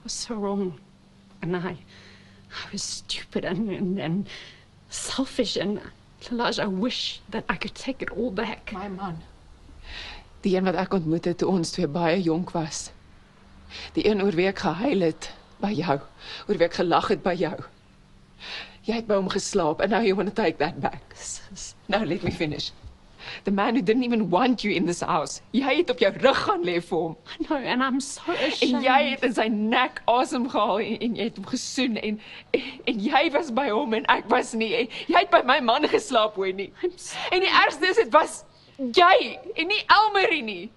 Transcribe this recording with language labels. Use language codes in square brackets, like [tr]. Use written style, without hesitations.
[en] And I was stupid and selfish, and Lalage, I wish that I could take it all back. My man. [af] Die een wat ek ontmoet het toe ons twee baie jonk was. Die een oor wie ek gehuil het by jou. Oor wie ek gelag het by jou. Jy het by hom geslaap [en] and now you want to take that back. Now let me finish. The man who didn't even want you in this house. [af] Jy het op jou rug gaan lê vir hom. [en] No, and I'm so ashamed. [af] En jy het in sy nek asem gehaal en jy het hom gesoen en jy was by hom en ek was nie. Jy het by my man geslaap, hoor nie. En die ergste is dit was jy en nie Elmarie nie.